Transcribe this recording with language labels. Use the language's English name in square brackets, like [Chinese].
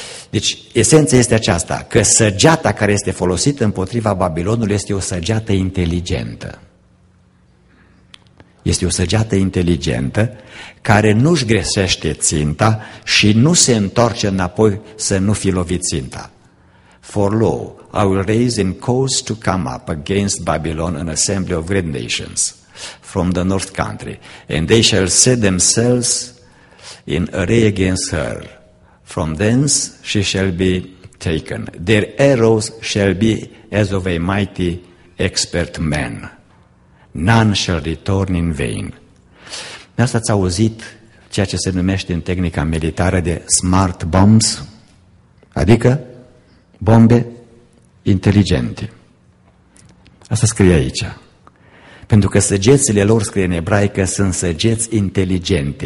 [Romanian] Deci, esența este aceasta, că săgeata care este folosită împotriva Babilonului este o săgeată inteligentă. Este o săgeată inteligentă care nu-și greșește ținta și nu se întoarce înapoi să nu fi lovit ținta. [English] For lo, I will raise in cause to come up against Babylon an assembly of great nations from the north country, and they shall set themselves in array against her. From thence she shall be taken. Their arrows shall be as of a mighty expert man. None shall return in vain. [Romanian] Asta ați auzit ceea ce se numește în tehnica militară de smart bombs, adică bombe inteligente. Asta scrie aici. Pentru că săgețile lor, scrie în ebraică, sunt săgeți inteligente.